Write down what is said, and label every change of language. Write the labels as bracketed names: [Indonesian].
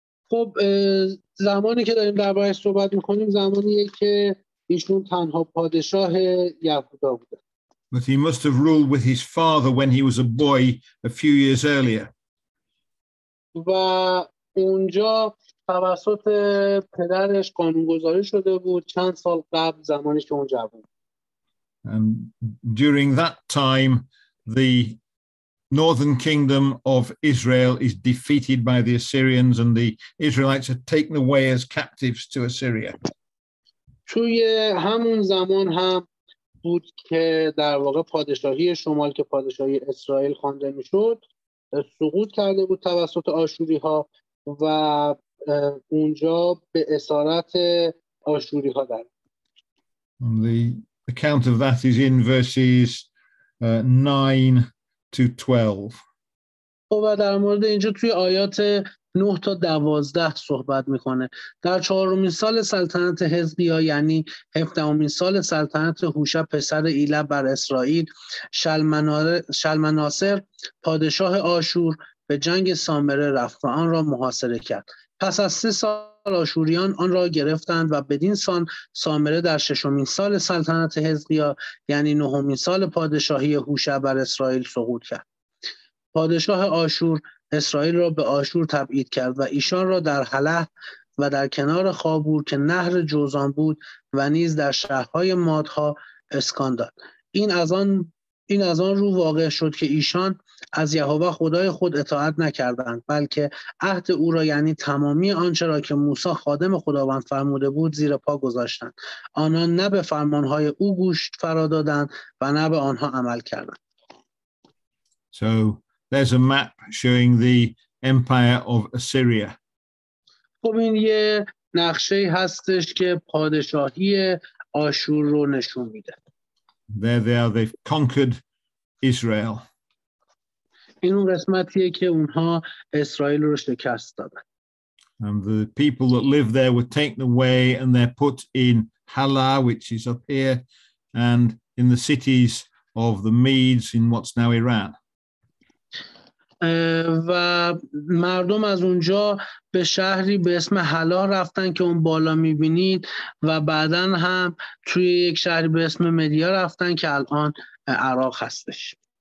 [Persian] خب زمانی که داریم در باره صحبت میکنیم زمانیه که ایشون تنها پادشاه یهودا بوده. [English] But he must have ruled with his father when he was a boy a few years earlier. [Persian] و اونجا توسط پدرش قانون‌گذاری شده بود چند سال قبل زمانی که اون جوان. [English] And during that time, the northern kingdom of Israel is defeated by the Assyrians, and the Israelites are taken away as captives to Assyria. [Persian] توی همون زمان هم بود که در واقع پادشاهی شمال که پادشاهی اسرائیل خوانده میشد سقوط کرده بود توسط آشوری ها و اونجا به اسارت آشوری ها در. [English] The account of that is in verses 9 to 12. [Persian] و در مورد اینجا توی آیات 9 تا 12 صحبت میکنه. در چهارمین سال سلطنت حزقیا، یعنی هفدهمین سال سلطنت هوشع پسر ایلا بر اسرائیل، شلمناسر پادشاه آشور به جنگ سامره رفت و آن را محاصره کرد. پس از 3 سال آشوریان آن را گرفتند و بدین سان سامره در ششمین سال سلطنت حزقیا، یعنی نهمین سال پادشاهی هوشع بر اسرائیل سقوط کرد. پادشاه آشور اسرائیل را به آشور تبعید کرد و ایشان را در حله و در کنار خابور که نهر جوزان بود و نیز در شهرهای مادها اسکان داد. این از آن رو واقع شد که ایشان از یهوه خدای خود اطاعت نکردند، بلکه عهد او را، یعنی تمامی آنچه را که موسی خادم خداوند فرموده بود، زیر پا گذاشتند. آنان نه به فرمانهای او گوش فرا دادند و نه به آنها عمل کردند. [English] There's a map showing the empire of Assyria. [Persian] خب این یه نقشه هستش که پادشاهی آشور رو نشون میده. [English] There they are, they've conquered Israel. [Persian] این اون قسمتیه که اونها اسرائیل رو شکست دادن. [English] And the people that live there were taken away and they're put in Hala, which is up here, and in the cities of the Medes in what's now Iran. [Persian] و مردم از اونجا به شهری به اسم حلا رفتن که اون بالا میبینید و بعدن هم توی یک شهری به اسم مدیا رفتن که الان عراق هستش.